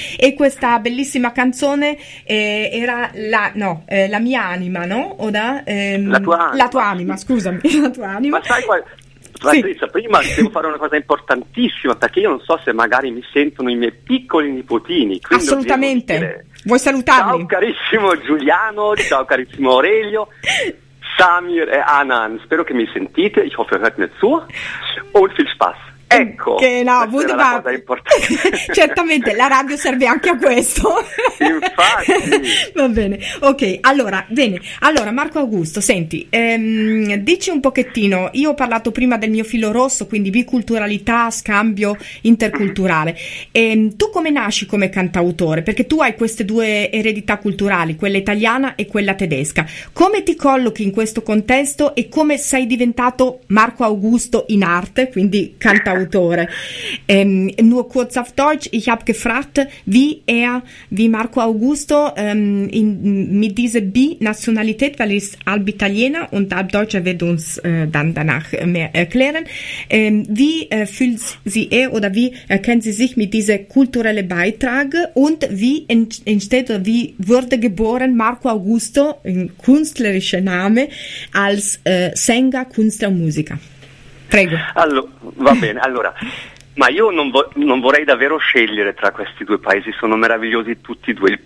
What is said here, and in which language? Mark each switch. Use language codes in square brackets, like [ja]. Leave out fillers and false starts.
[it] E questa bellissima canzone era la mia anima, no? La tua La tua anima, anima, sì. scusami, la tua anima. Ma sai qual Sì. Patrizia, prima devo fare una cosa importantissima perché io non so se magari mi sentono i miei piccoli nipotini, quindi lo devo Assolutamente. dire. Vuoi Ciao salutarli? carissimo Giuliano, ciao carissimo Aurelio. Samir e Anan, spero che mi sentite, [de] ich hoffe, ihr hört mir zu. Und viel Spaß. Ecco, [it] Che no, questa era la cosa importante. certamente la radio serve anche a questo. Infatti. Va bene, ok. Allora, bene. Allora, Marco Augusto, senti, dici un pochettino. Io ho parlato prima del mio filo rosso, quindi biculturalità, scambio interculturale. Tu come nasci come cantautore? Perché tu hai queste due eredità culturali, quella italiana e quella tedesca. Come ti collochi in questo contesto e come sei diventato Marco Augusto in arte, quindi cantautore? [de] Nur kurz auf Deutsch, ich habe gefragt, wie Marco Augusto mit dieser Bi-Nationalität, weil ich halb Italiener und halb Deutscher wird uns dann danach mehr erklären, wie fühlt sie er oder wie erkennen Sie sich mit diesem kulturellen Beitrag und wie entsteht oder wie wurde geboren Marco Augusto, ein künstlerischer Name, als Sänger, Künstler und Musiker? [it] Prego. Allora, va bene, allora, ma io non vorrei davvero scegliere tra questi due paesi, sono meravigliosi tutti e due.